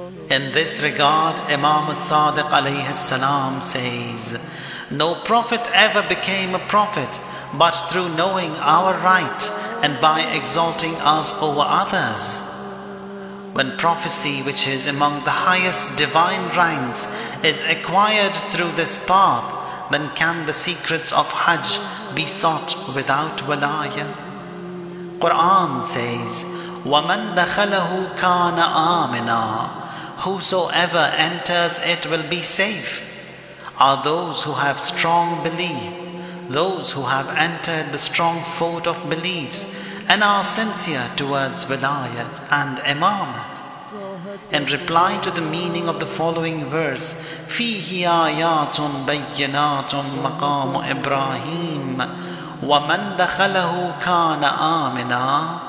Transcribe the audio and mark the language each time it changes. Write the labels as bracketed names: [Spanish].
[English] In this regard, Imam Sadiq alayhi salam says, no prophet ever became a prophet but through knowing our right and by exalting us over others. When prophecy, which is among the highest divine ranks, is acquired through this path, then can the secrets of Hajj be sought without walaya? Quran says, [Arabic] وَمَنْ دَخَلَهُ كَانَ آمِنًا. [English] Whosoever enters it will be safe. Are those who have strong belief, those who have entered the strong fort of beliefs and are sincere towards Wilayat and Imamat. In reply to the meaning of the following verse, [Arabic] فِيهِ آيَاتٌ بَيِّنَاتٌ مَقَامُ إِبْرَاهِيمٌ وَمَنْ دَخَلَهُ كَانَ آمِنًا.